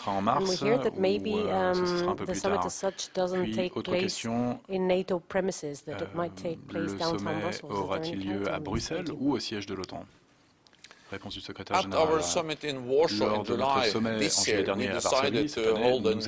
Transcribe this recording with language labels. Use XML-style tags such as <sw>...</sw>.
<en>And we hear that maybe the summit as such doesn't take place in NATO premises, that it might take place downtown Brussels.</en> <fr>Aura-t-il lieu à Bruxelles ou au siège de l'OTAN? Réponse du secrétaire général.</fr> <en>At our summit in Warsaw in July this year, we decided to hold a new summit in 2017.</en>